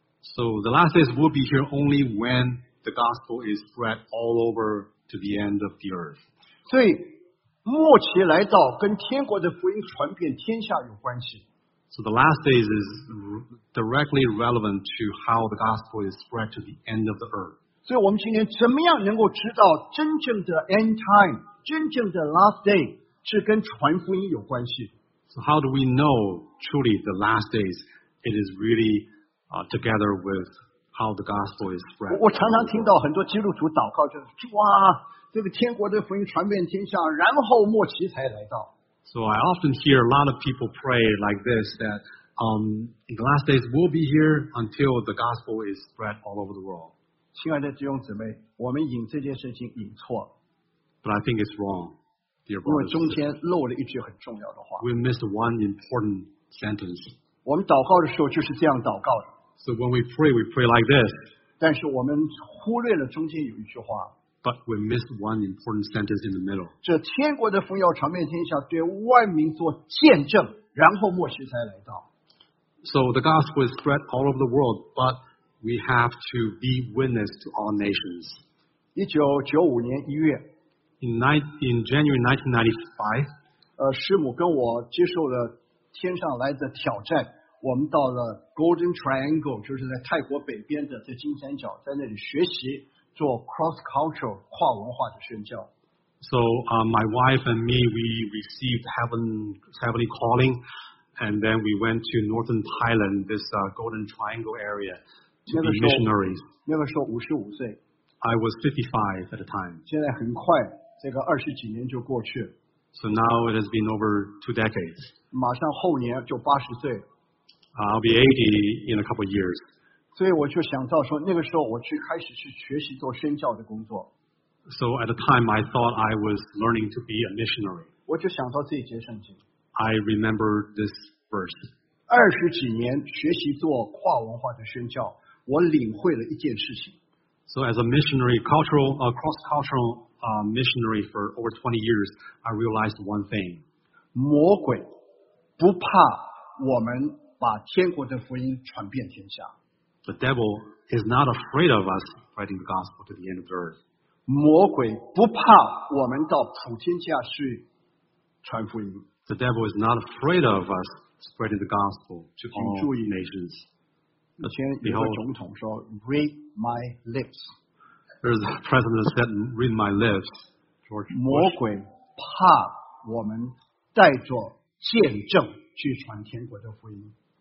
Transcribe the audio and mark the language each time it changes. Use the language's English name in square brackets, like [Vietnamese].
[English] So the last days will be here only when the gospel is spread all over to the end of the earth. [Chinese] 所以末期来到跟天国的福音传遍天下有关系。 [English] So the last days is directly relevant to how the gospel is spread to the end of the earth. [Chinese] 所以我们今天怎么样能够知道真正的 [English] end time, [Chinese] 真正的 [English] last day [Chinese] 是跟传福音有关系。 [English] So how do we know truly the last days, it is really together with how the gospel is spread? [Chinese] 我常常听到很多基督徒祷告就是主啊这个天国的福音传遍天下，然后末期才来到。 [English] So I often hear a lot of people pray like this, that the last days will be here until the gospel is spread all over the world. [Chinese] 亲爱的弟兄姊妹，我们引这件事情引错了。 [English] But I think it's wrong, dear brothers. [Chinese] 因为中间漏了一句很重要的话。 [English] We missed one important sentence. [Chinese] 我们祷告的时候就是这样祷告的。 [English] So when we pray like this. [Chinese] 但是我们忽略了中间有一句话。 [English] But we missed one important sentence in the middle. [Chinese] 这天国的福音要传遍天下，对万民做见证，然后末世才来到。 [English] So the gospel is spread all over the world, but we have to be witness to all nations. [Chinese] 1995年1月 [English] In January 1995, [Chinese] 师母跟我接受了天上来的挑战，我们到了 Golden Triangle, 就是在泰国北边的这金三角，在那里学习。做 cross-cultural 跨文化的宣教。 [English] So my wife and me, we received heavenly calling, and then we went to northern Thailand, this Golden Triangle area, to be missionaries. [Chinese] 那个时候55岁。 [English] I was 55 at the time. [Chinese] 现在很快，这个二十几年就过去。 [English] So now it has been over 2 decades. [Chinese] 马上后年就80岁。 [English] I'll be 80 in a couple of years. [Chinese] 所以我就想到说，那个时候我去开始去学习做宣教的工作。 [English] So at the time I thought I was learning to be a missionary. [Chinese] 我就想到这一节圣经。 [English] I remember this verse. [Chinese] 二十几年学习做跨文化的宣教，我领会了一件事情。 [English] So as a missionary, cross-cultural missionary for over 20 years, I realized one thing. [Chinese] 魔鬼不怕我们把天国的福音传遍天下。 [English] The devil is not afraid of us spreading the gospel to the end of the earth. [Chinese] 魔鬼不怕我们到普天下去传福音。 [English] The devil is not afraid of us spreading the gospel to all nations. [Chinese] 以前有个总统说 [English] read my lips. There's a president that said read my lips. [Chinese] 魔鬼怕我们带着见证去传天国的福音。